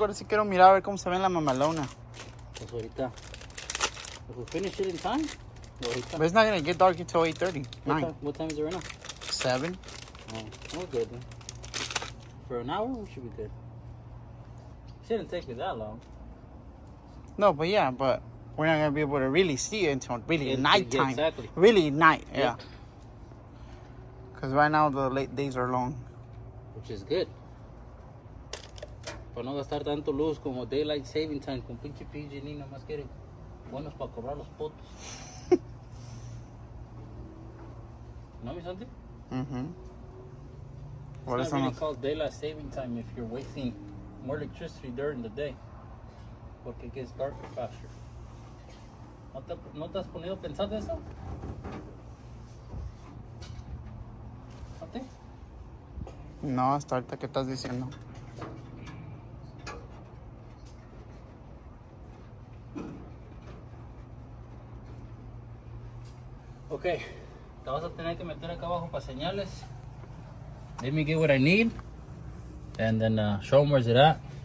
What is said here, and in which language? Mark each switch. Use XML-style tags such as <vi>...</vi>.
<es>Ahora sí quiero mirar a ver cómo se ve en la mamalona. Pues ahorita.</es> <en>If we finish it in time, but it's not going to get dark until 8:30. What time is it right now? 7. Oh, we're good then. For an hour, we should be good. It shouldn't take you that long. No, but yeah, but we're not going to be able to really see it until really nighttime. Yeah, exactly. Really night, yeah. Yep. Because right now the late days are long. Which is good.</en> <es>Para no gastar tanto luz como daylight saving time con pinche PG ni nada más quieren. Buenos para cobrar los potos. No, mi Santi? Mm-hmm.</es> <en>What is really called daylight saving time if you're wasting more electricity during the day.</en> <es>Porque</es> <en>it gets darker faster.</en> <es>¿No te has ponido a pensar eso? No, hasta ahorita, ¿qué estás diciendo? Ok, te vas a tener que meter acá abajo para señales.</es> <en>Let me get what I need. And then show them where's it at.</en>